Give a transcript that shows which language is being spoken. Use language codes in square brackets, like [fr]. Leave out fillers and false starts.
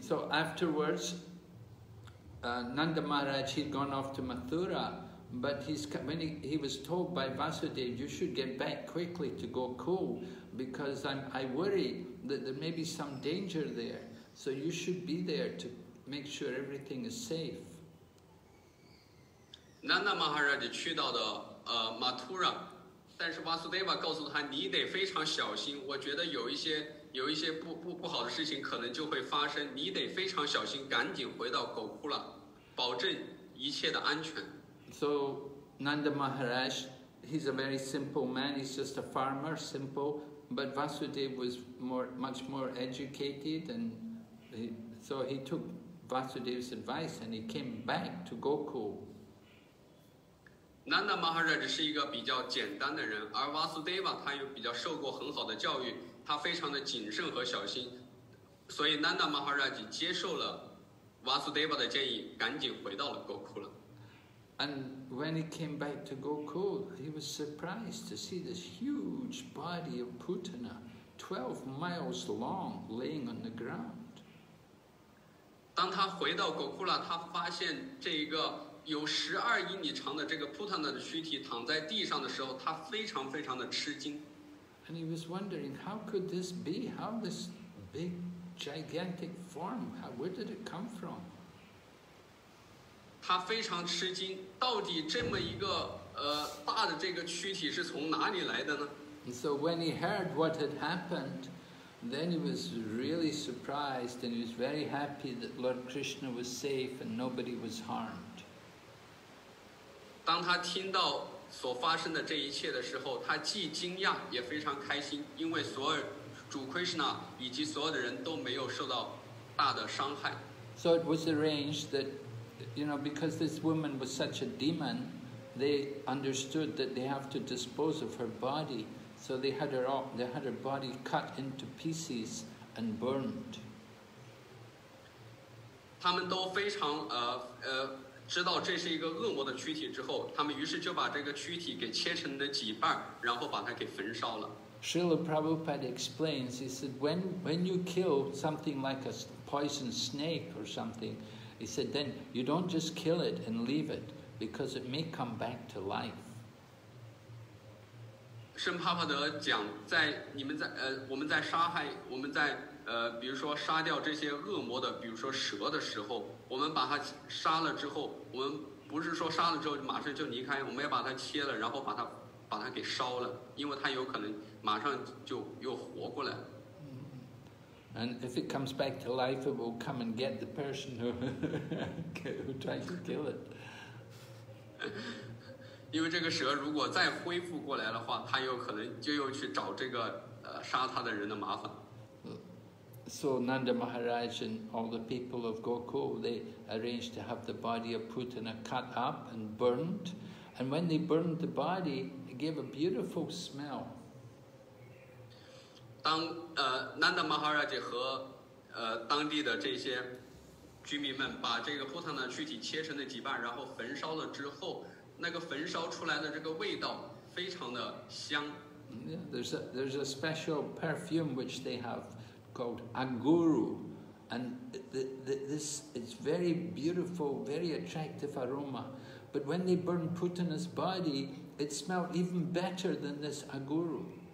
[en] So afterwards, Nanda Maharaj, he'd gone off to Mathura, But he was told by Vasudev, you should get back quickly to Gokul, because I worry that there may be some danger there. So you should be there to make sure everything is safe. [zh] Nanda Maharaj 去到的Mathura, 但是 Vasudeva 告诉他，你得非常小心。我觉得有一些不好的事情可能就会发生，你得非常小心，赶紧回到Gokula，保证一切的安全。 [en] So Nanda Maharaj, he's a very simple man. He's just a farmer, simple. But Vasudeva was much more educated, and so he took Vasudeva's advice and he came back to Gokul. [zh] Nanda Maharaj 是一个比较简单的人，而 Vasudeva 他又比较受过很好的教育，他非常的谨慎和小心，所以 Nanda Maharaj 接受了 Vasudeva 的建议，赶紧回到了 Gokul。 [en] And when he came back to Gokul, he was surprised to see this huge body of Putana, 12 miles long, laying on the ground. [zh] 当他回到 Gokula, 他发现这个有12英里长的这个 Putana 的躯体躺在地上的时候，他非常非常的吃惊。 [en] And he was wondering, how could this be? How this big, gigantic form, where did it come from? [zh] 他非常吃惊，到底这么一个大的这个躯体是从哪里来的呢？ [en] So when he heard what had happened, then he was really surprised and he was very happy that Lord Krishna was safe and nobody was harmed. [zh] 当他听到所发生的这一切的时候，他既惊讶也非常开心，因为所有主 Krishna 以及所有的人都没有受到大的伤害。 [en] So it was arranged thatYou know, because this woman was such a demon, they understood that they have to dispose of her body. So they had her off, they had her body cut into pieces and burned. [zh] 他们都非常知道这是一个恶魔的躯体之后，他们于是就把这个躯体给切成了几半，然后把它给焚烧了。 [en] Srila Prabhupada explains, he said, when you kill something like a poison snake or something,He said, then you don't just kill it and leave it, because it may come back to life. [zh] Srila Prabhupada 讲，在你们在我们在杀害我们在比如说杀掉这些恶魔的，比如说蛇的时候，我们把它杀了之后，我们不是说杀了之后马上就离开，我们要把它切了，然后把它给烧了，因为它有可能马上就又活过来。 [en] And if it comes back to life, it will come and get the person who tried to kill it. [zh] 因为这个蛇如果再恢复过来的话，它有可能就又去找这个杀它的人的麻烦。 [en] So Nanda Maharaj and all the people of Gokul, they arranged to have the body of Putana cut up and burned. And when they burned the body, it gave a beautiful smell. [zh] 当Nanda Maharaj 和当地的这些居民们把这个 Putana 躯体切成了几半，然后焚烧了之后，那个焚烧出来的这个味道非常的香。 [en] Yeah, there's a special perfume which they have called Anguru, and this is very beautiful, very attractive aroma. But when they burned Putana's body, it smelled even better than this Anguru.